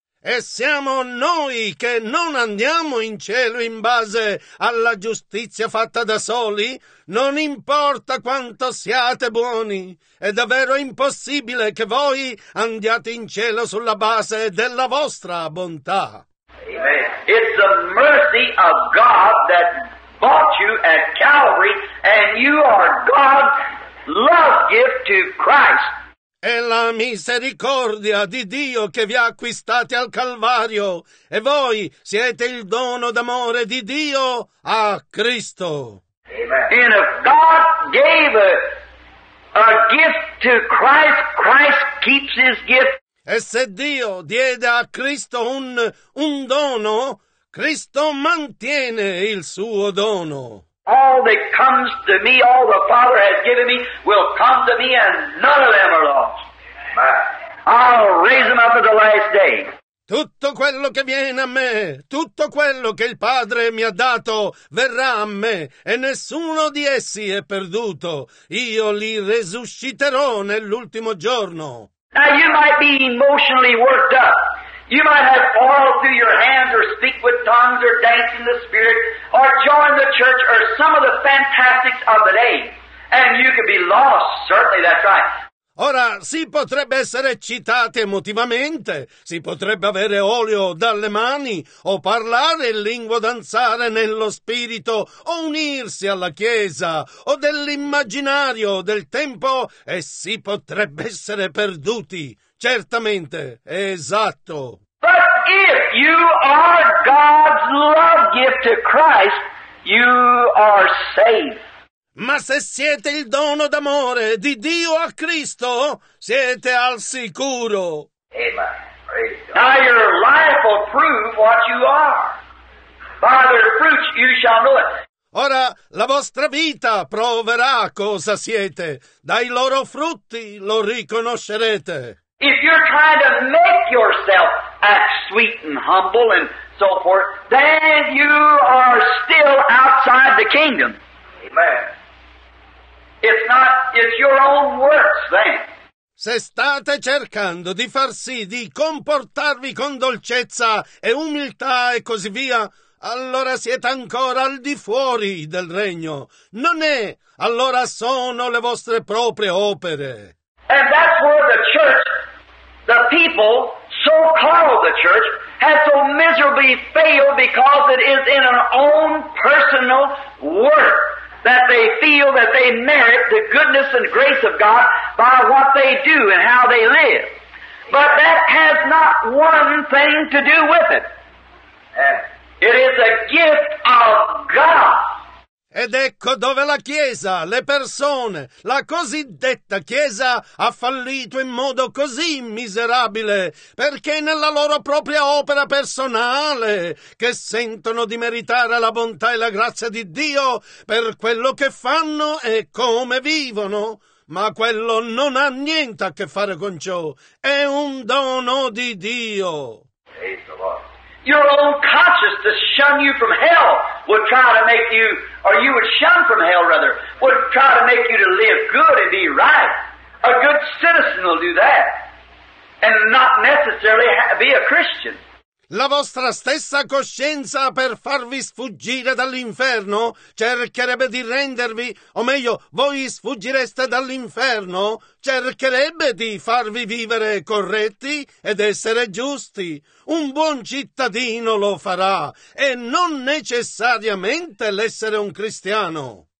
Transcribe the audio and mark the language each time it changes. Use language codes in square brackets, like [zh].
[it] E siamo noi che non andiamo in cielo in base alla giustizia fatta da soli? Non importa quanto siate buoni, è davvero impossibile che voi andiate in cielo sulla base della vostra bontà. Amen. [en] It's the mercy of God that bought you at Calvary, and you are God's love gift to Christ. [it] È la misericordia di Dio che vi ha acquistati al Calvario, e voi siete il dono d'amore di Dio a Cristo. Amen. [en] And if God gave a gift to Christ, Christ keeps his gift. [it] E se Dio diede a Cristo un dono, Cristo mantiene il suo dono. [en] All that comes to me, all the Father has given me, will come to me, and none of them are lost. I'll raise them up at the last day. [it] Tutto quello che viene a me, tutto quello che il Padre mi ha dato, verrà a me, e nessuno di essi è perduto. Io li resusciterò nell'ultimo giorno. [en] Now you might be emotionally worked up. You might have oil through your hands, or speak with tongues, or dance in the Spirit, or join the church, or some of the fantastics of the day, and you could be lost. Certainly, that's right. [it] Ora, si potrebbe essere eccitati emotivamente, si potrebbe avere olio dalle mani, o parlare in lingua, danzare nello spirito, o unirsi alla chiesa, o dell'immaginario del tempo, e si potrebbe essere perduti. Certamente, esatto. [en] But if you are God's love gift to Christ, you are saved. [it] Ma se siete il dono d'amore di Dio a Cristo, siete al sicuro. [en] Amen. Praise God. Now your life will prove what you are. By their fruits you shall know it. [it] Ora la vostra vita proverà cosa siete. Dai loro frutti lo riconoscerete. [en] If you're trying to make yourself act sweet and humble and so forth, then you are still outside the kingdom. Amen. It's your own works, then. [it] Se state cercando di far sì di comportarvi con dolcezza e umiltà e così via, allora siete ancora al di fuori del regno. Non è, allora sono le vostre proprie opere. [en] And that's where the church, the people, so called the church, has so miserably failed, because it is in our own personal work that they feel that they merit the goodness and grace of God by what they do and how they live. But that has not one thing to do with it. It is a gift of God. [it] Ed ecco dove la Chiesa, le persone, la cosiddetta Chiesa ha fallito in modo così miserabile, perché è nella loro propria opera personale che sentono di meritare la bontà e la grazia di Dio per quello che fanno e come vivono. Ma quello non ha niente a che fare con ciò. È un dono di Dio. [en] Your own conscience to shun you from hell would try to make you, or you would shun from hell rather, would try to make you to live good and be right. A good citizen will do that and not necessarily be a Christian. [it] La vostra stessa coscienza, per farvi sfuggire dall'inferno, cercherebbe di rendervi, o meglio, voi sfuggireste dall'inferno, cercherebbe di farvi vivere corretti ed essere giusti. Un buon cittadino lo farà, e non necessariamente l'essere un cristiano.